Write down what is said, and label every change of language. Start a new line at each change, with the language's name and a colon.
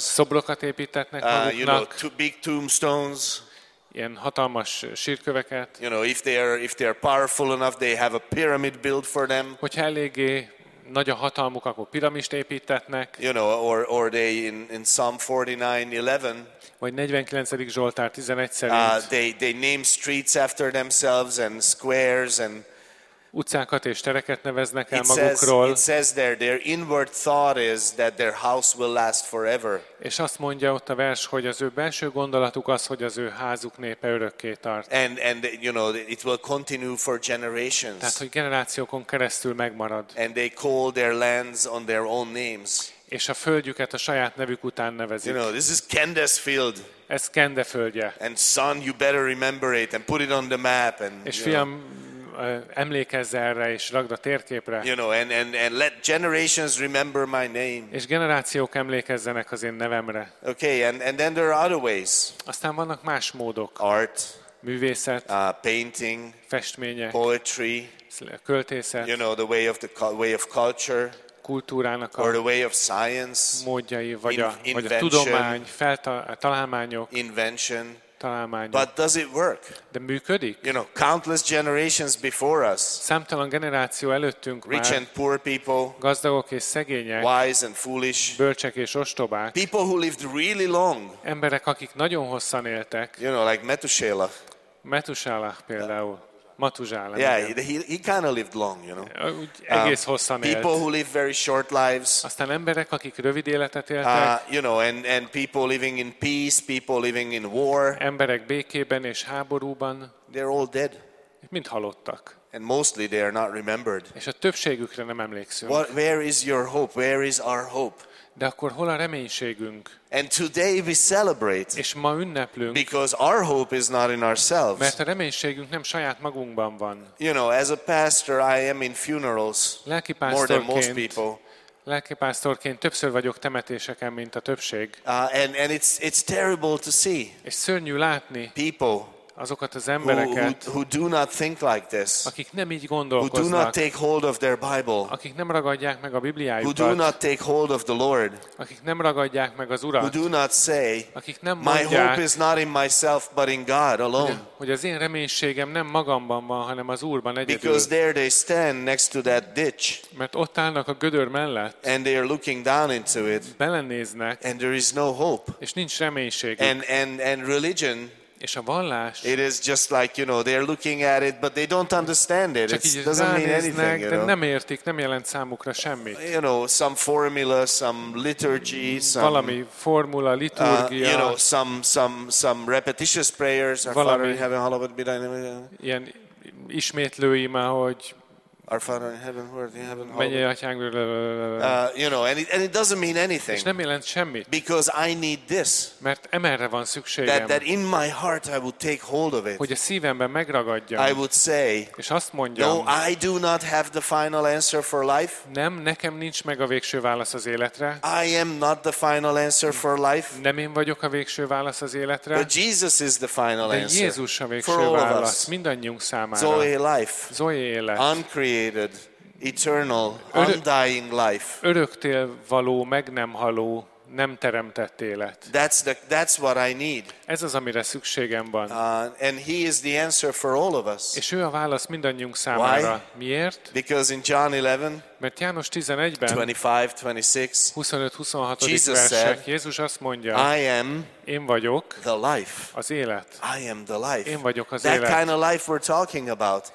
Hungarian: Szobrokat építetnek maguknak.
English: You know, big tombstones.
Hungarian: Ilyen hatalmas sírköveket.
English: You know, if they are powerful enough, they have a pyramid built for them.
Hungarian: Hogyha eléggé nagy a hatalmuk, akkor piramist építetnek.
English: You know, or they in Psalm 49:11.
Hungarian: Vagy 49. Zsoltár 11 szerint.
English: They name streets after themselves and squares and
Hungarian: utcákat és tereket neveznek el magukról.
English: It says there, their inward thought is that their house will last forever.
Hungarian: És azt mondja ott a vers, hogy az ő belső gondolatuk az, hogy az ő házuk népe örökké tart.
English: And you know, it will continue for generations.
Hungarian: Tehát, hogy generációkon keresztül megmarad.
English: And they call their lands on their own names.
Hungarian: És a földjüket a saját nevük után nevezik.
English: You know, this is Kendes Field.
Hungarian: Ez Kende földje.
English: And son, you better remember it and put it on the map. And,
Hungarian: és fiam, emlékezz erre és rakd a térképre.
English: You know, and let generations remember my name.
Hungarian: És generációk emlékezzenek az én nevemre.
English: Okay, and then there are other ways.
Hungarian: Aztán vannak más módok.
English: Art,
Hungarian: művészet,
English: painting,
Hungarian: festmények,
English: poetry,
Hungarian: költészet.
English: You know, the way of culture,
Hungarian: kultúrának
English: or the way of science,
Hungarian: módjai vagy a tudomány, találmányok,
English: invention,
Hungarian: találmányok.
English: But does it work?
Hungarian: De működik?
English: You know, countless generations before us.
Hungarian: Számtalan generáció előttünk már.
English: Rich and poor people.
Hungarian: Gazdagok és szegények.
English: Wise and foolish.
Hungarian: Bölcsek és ostobák.
English: People who lived really long.
Hungarian: Emberek, akik nagyon hosszan éltek.
English: You know, like Methuselah.
Hungarian: Methuselah például. Matuzsálem.
English: Yeah, he kind of lived long, you know.
Hungarian: Egész hosszan élt.
English: People who live very short lives.
Hungarian: Aztán emberek, akik rövid életet éltek.
English: You know, and people living in peace, people living in war.
Hungarian: Emberek békében és háborúban.
English: They're all dead.
Hungarian: Mind halottak.
English: And mostly they are not remembered.
Hungarian: És a többségükre nem emlékszünk.
English: Where is your hope? Where is our hope?
Hungarian: De akkor hol a reménységünk?
English: And today we celebrate.
Hungarian: És ma ünneplünk.
English: Because our hope is not in ourselves.
Hungarian: Mert a reménységünk nem saját magunkban van.
English: You know, as a pastor, I am in funerals more than most people.
Hungarian: Lelkipásztorként többször vagyok temetéseken, mint a többség.
English: And it's terrible to see.
Hungarian: És szörnyű látni.
English: People.
Hungarian: Azokat az embereket,
English: who do not think like this,
Hungarian: akik nem így gondolkoznak,
English: who do not take hold of their Bible,
Hungarian: akik nem ragadják meg a Bibliájukat,
English: who do not take hold of the Lord,
Hungarian: akik nem ragadják meg az Urat,
English: who do not say,
Hungarian: akik nem mondják,
English: my hope is not in myself but in God alone,
Hungarian: hogy az én reménységem nem magamban van, hanem az Úrban egyedül,
English: because there they stand next to that ditch,
Hungarian: mert ott állnak a gödör mellett,
English: and they are looking down into it,
Hungarian: belenéznek,
English: and there is no hope,
Hungarian: és nincs reménységük,
English: and religion.
Hungarian: És a vallás,
English: it is just like, you know, they're looking at it, but they don't understand it. It doesn't mean anything.
Hungarian: De nem értik, nem jelent számukra semmit.
English: You know, some formula, some liturgy, some
Hungarian: valami formula, liturgia.
English: You know, some repetitious prayers. Our Father in heaven, hallowed be thy name.
Hungarian: Ilyen ismétlő ima, hogy
English: Our Father in heaven, hallowed be thy name.
Hungarian: Mennyei atyánk.
English: You know, and it doesn't mean anything.
Hungarian: És nem jelent semmit.
English: Because I need this.
Hungarian: Mert emerre van szükségem.
English: That in my heart I would take hold of it.
Hungarian: Hogy a szívemben megragadjam.
English: I would say.
Hungarian: És azt mondjam.
English: No, I do not have the final answer for life.
Hungarian: Nem, nekem nincs meg a végső válasz az életre.
English: I am not the final answer for life.
Hungarian: Nem én vagyok a végső válasz az életre.
English: But Jesus is the final answer.
Hungarian: De Jézus a végső válasz mindannyiunk számára.
English: Zoe life.
Hungarian: Zoe élet.
English: Uncreated. Eternal, undying life.
Hungarian: Öröktél való, meg nem haló, nem teremtett élet.
English: That's what I need.
Hungarian: Ez az, amire szükségem van.
English: And he is the answer for all of us.
Hungarian: És ő a válasz mindannyiunk számára. Miért?
English: Because in John 11,
Hungarian: mert János 11-ben, 25-26, Jézus azt mondja,
English: I am
Hungarian: én vagyok
English: the life.
Hungarian: Az élet.
English: I am the life.
Hungarian: Én vagyok az
English: that
Hungarian: élet.
English: That kind of life we're talking about.